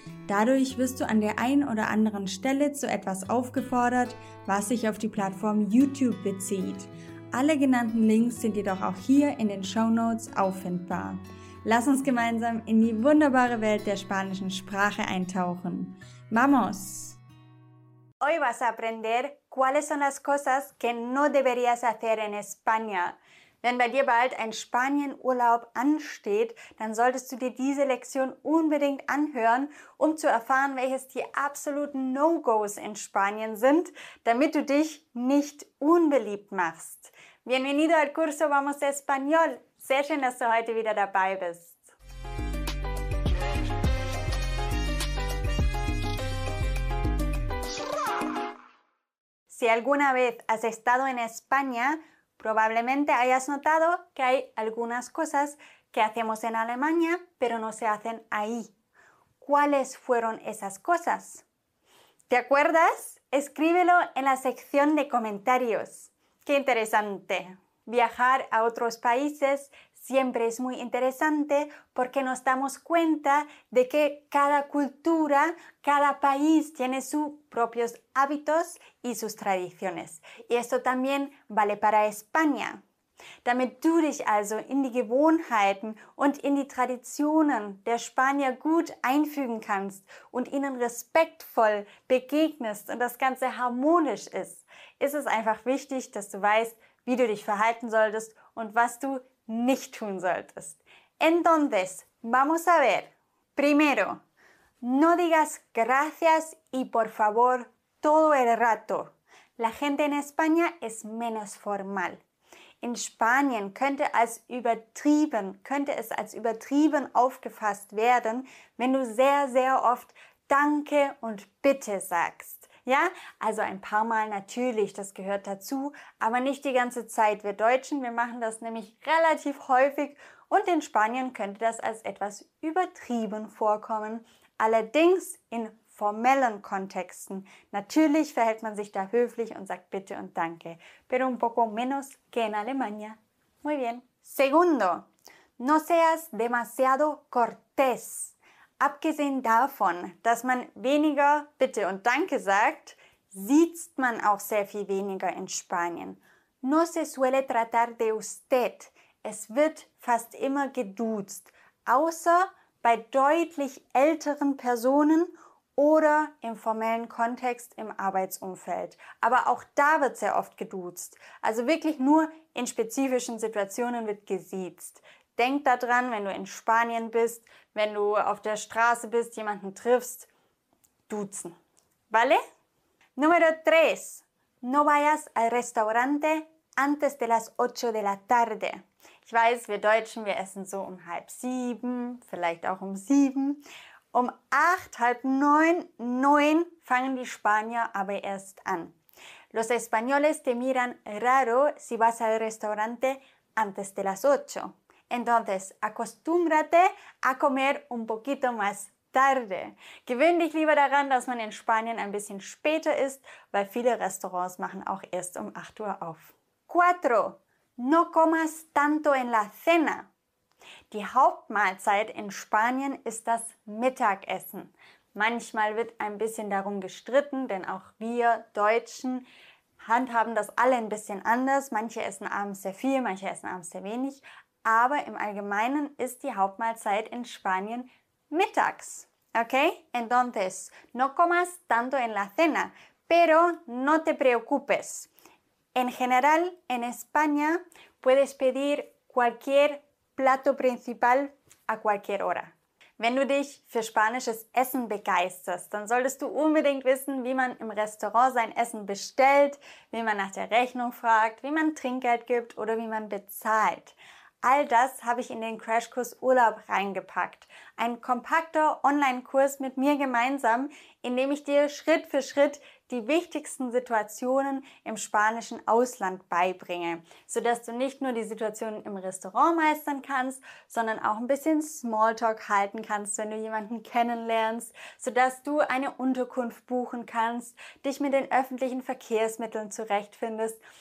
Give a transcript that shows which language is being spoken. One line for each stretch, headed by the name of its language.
German: Dadurch wirst du an der einen oder anderen Stelle zu etwas aufgefordert, was sich auf die Plattform YouTube bezieht. Alle genannten Links sind jedoch auch hier in den Shownotes auffindbar. Lass uns gemeinsam in die wunderbare Welt der spanischen Sprache eintauchen.
Spanish: ¡Vamos! Hoy vas a aprender cuáles son las cosas que no deberías hacer en España.
German: Wenn bei dir bald ein Spanienurlaub ansteht, dann solltest du dir diese Lektion unbedingt anhören, um zu erfahren, welches die absoluten No-Gos in Spanien sind, damit du dich nicht unbeliebt machst.
Spanish: Bienvenido al curso Vamos de Español.
German: Sehr schön, dass du heute wieder dabei bist.
Spanish: Si alguna vez has estado en España, probablemente hayas notado que hay algunas cosas que hacemos en Alemania, pero no se hacen ahí. ¿Cuáles fueron esas cosas? ¿Te acuerdas? Escríbelo en la sección de comentarios. ¡Qué interesante! Viajar a otros países siempre es muy interesante porque nos damos cuenta de que cada cultura, cada país tiene sus propios hábitos y sus tradiciones. Y esto también vale para España.
German: Damit du dich also in die Gewohnheiten und in die Traditionen der Spanier gut einfügen kannst und ihnen respektvoll begegnest und das Ganze harmonisch ist, ist es einfach wichtig, dass du weißt, wie du dich verhalten solltest und was du nicht tun solltest.
Spanish: Entonces, vamos a ver. Primero, no digas gracias y por favor todo el rato. La gente en España es menos formal.
German: In Spanien könnte es als übertrieben aufgefasst werden, wenn du sehr, sehr oft Danke und Bitte sagst. Ja, also ein paar Mal natürlich, das gehört dazu, aber nicht die ganze Zeit. Wir Deutschen, wir machen das nämlich relativ häufig und in Spanien könnte das als etwas übertrieben vorkommen. Allerdings in formellen Kontexten. Natürlich verhält man sich da höflich und sagt Bitte und Danke.
Spanish: Pero un poco menos que en Alemania. Muy bien. Segundo, no seas demasiado cortés.
German: Abgesehen davon, dass man weniger Bitte und Danke sagt, sieht man auch sehr viel weniger in Spanien.
Spanish: No se suele tratar de usted.
German: Es wird fast immer geduzt, außer bei deutlich älteren Personen oder im formellen Kontext im Arbeitsumfeld. Aber auch da wird sehr oft geduzt. Also wirklich nur in spezifischen Situationen wird gesiezt. Denk daran, wenn du in Spanien bist, wenn du auf der Straße bist, jemanden triffst, duzen.
Spanish: ¿Vale? Número 3. No vayas al restaurante antes de las 8 de la tarde.
German: Ich weiß, wir Deutschen, wir essen so um 6:30, vielleicht auch um 7. Um 8, 8:30, 9 fangen die Spanier aber erst an.
Spanish: Los españoles te miran raro si vas al restaurante antes de las 8. Entonces, acostúmbrate a comer un poquito más tarde.
German: Gewöhn dich lieber daran, dass man in Spanien ein bisschen später isst, weil viele Restaurants machen auch erst um 8 Uhr auf.
Spanish: 4. No comas tanto en la cena.
German: Die Hauptmahlzeit in Spanien ist das Mittagessen. Manchmal wird ein bisschen darum gestritten, denn auch wir Deutschen handhaben das alle ein bisschen anders. Manche essen abends sehr viel, manche essen abends sehr wenig. Aber im Allgemeinen ist die Hauptmahlzeit in Spanien mittags. Okay?
Spanish: Entonces, no comas tanto en la cena, pero no te preocupes. En general, en España, puedes pedir cualquier plato principal a cualquier hora.
German: Wenn du dich für spanisches Essen begeisterst, dann solltest du unbedingt wissen, wie man im Restaurant sein Essen bestellt, wie man nach der Rechnung fragt, wie man Trinkgeld gibt oder wie man bezahlt. All das habe ich in den Crashkurs Urlaub reingepackt. Ein kompakter Online-Kurs mit mir gemeinsam, in dem ich dir Schritt für Schritt die wichtigsten Situationen im spanischen Ausland beibringe, sodass du nicht nur die Situation im Restaurant meistern kannst, sondern auch ein bisschen Smalltalk halten kannst, wenn du jemanden kennenlernst, sodass du eine Unterkunft buchen kannst, dich mit den öffentlichen Verkehrsmitteln zurechtfindest.